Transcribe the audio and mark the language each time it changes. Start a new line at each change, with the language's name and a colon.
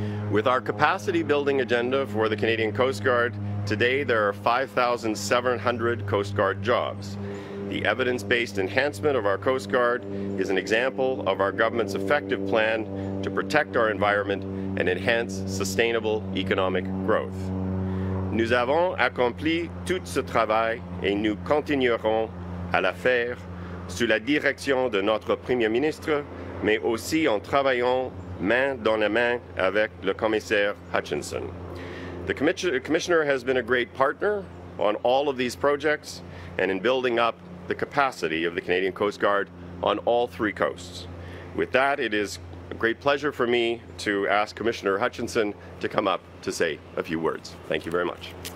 English: With our capacity building agenda for the Canadian Coast Guard, today there are 5,700 Coast Guard jobs. The evidence-based enhancement of our Coast Guard is an example of our government's effective plan to protect our environment and enhance sustainable economic growth.
French: Nous avons accompli tout ce travail et nous continuerons à le faire sous la direction de notre Premier ministre, mais aussi en travaillant main dans la main avec le commissaire Hutchinson.
English: The commissioner has been a great partner on all of these projects and in building up the capacity of the Canadian Coast Guard on all three coasts. With that, it is a great pleasure for me to ask Commissioner Hutchinson to come up to say a few words. Thank you very much.